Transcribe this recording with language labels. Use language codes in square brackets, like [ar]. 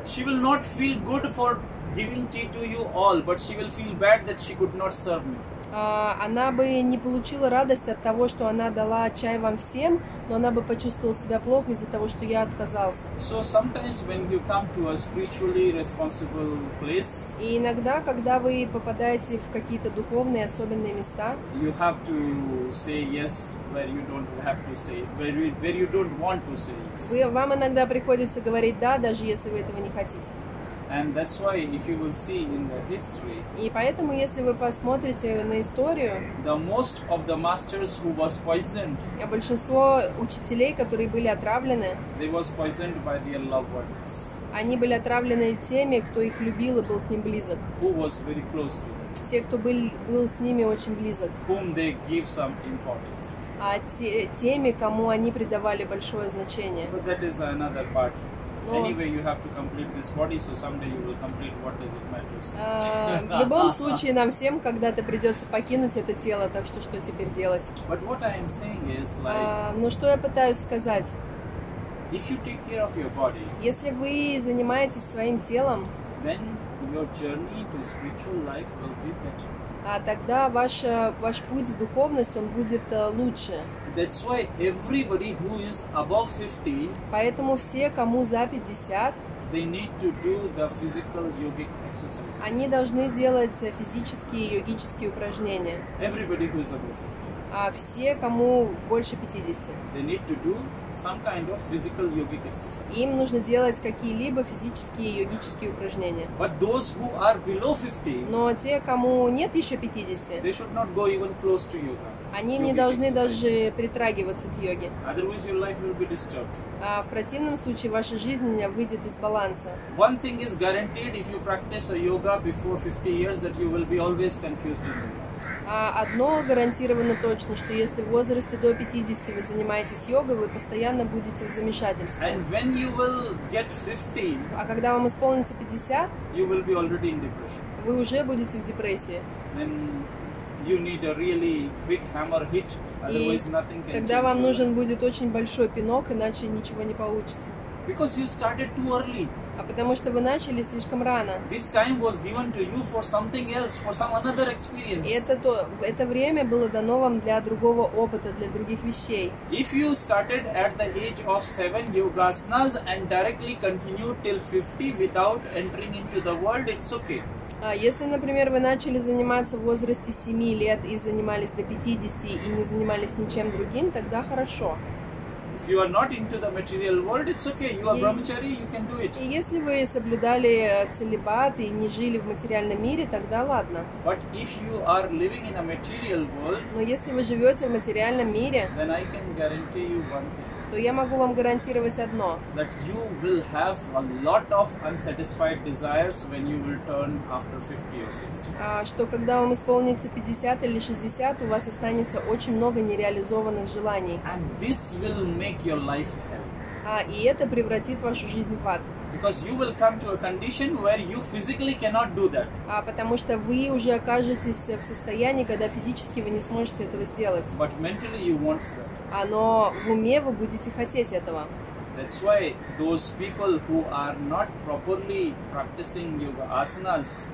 [en] she will not feel good for giving tea to you all, but she will feel bad that she could not serve me. [ru] Она бы не получила радость от того, что она дала чай вам всем, но она бы почувствовала себя плохо из-за того, что я отказался. [en] So sometimes when you come to a spiritually responsible place, [ru] и иногда, когда вы попадаете в какие-то духовные особенные места, [en] you have to say yes where you don't have to say, where you don't want to say yes. [ru] Вам иногда приходится говорить да, даже если вы этого не хотите. [en] And that's why, if you will see in the history, [ru] и поэтому, если вы посмотрите на историю, [en] the most of the masters who was poisoned, [ru] и большинство учителей, которые были отравлены, [en] they was poisoned by their loved ones. [ru] Они были отравлены теми, кто их любил и был к ним близок. [en] Who was very close to them. [ru] Те, кто был с ними очень близок. [en] Whom they give some importance. [ru] А теми, кому они придавали большое значение. [en] But that is another part. Anyway, you have to complete this body, so someday you will complete what does it matter. [ru] В любом случае, нам всем когда-то придется покинуть это тело, так что что теперь делать? [en] But what I am saying is like. [ru] Но что я пытаюсь сказать? [en] If you take care of your body. [ru] Если вы занимаетесь своим телом. [en] Then your journey to spiritual life will be better. [ru] А тогда ваш путь в духовность, он будет лучше. [en] That's why everybody who is above 50, [ru] поэтому все, кому за 50, [en] they need to do the physical yogic exercises. [ru] Они должны делать физические и йогические упражнения. [en] Everybody who is above 50. [ru] А все, кому больше 50, [en] they need to do some kind of physical yogic exercises. [ru] Им нужно делать какие-либо физические и йогические упражнения. [en] But those who are below 50, [ru] но те, кому нет еще 50, [en] they should not go even close to yoga. [ru] Они не должны даже притрагиваться к йоге. [en] Otherwise your life will be disturbed. [ru] А в противном случае ваша жизнь выйдет из баланса. [en] One thing is guaranteed, if you practice a yoga before 50 years, that you will be always confused in yoga. [ru] А одно гарантировано точно, что если в возрасте до 50 вы занимаетесь йогой, вы постоянно будете в замешательстве. [en] And when you will get 15, [ru] а когда вам исполнится 50, [en] you will be already in depression. [ru] Вы уже будете в депрессии. [en] Then you need a really big hammer hit, otherwise nothing can change. [ru] Тогда вам нужен будет очень большой пинок, иначе ничего не получится. [en] Because you started too early. [ru] А потому что вы начали слишком рано. [en] This time was given to you for something else, for some another experience. [ru] И это время было дано вам для другого опыта, для других вещей. [en] If you started at the age of 7 yogasanas and directly continued till 50 without entering into the world, it's okay. [ru] Если, например, вы начали заниматься в возрасте 7 лет и занимались до 50 и не занимались ничем другим, тогда хорошо. [en] You are not into the material world, it's okay. You are brahmachari, you can do it. [ru] И если вы соблюдали целибат и не жили в материальном мире, тогда ладно. [en] But if you are living in a material world, [ru] но если вы живете в материальном мире, [en] then I can guarantee you one thing. [ru] То я могу вам гарантировать одно. [en] That you will have a lot of unsatisfied desires when you will turn after 50 or 60. [ru] Что когда вам исполнится 50 или 60, у вас останется очень много нереализованных желаний. [en] And this will make your life hell. [ru] И это превратит вашу жизнь в ад. [en] Because you will come to a condition where you physically cannot do that. [ru] Потому что вы уже окажетесь в состоянии, когда физически вы не сможете этого сделать. [en] But mentally you want that. [ru] Но в уме вы будете хотеть этого. [en] That's why those people who are not properly practicing yoga asanas.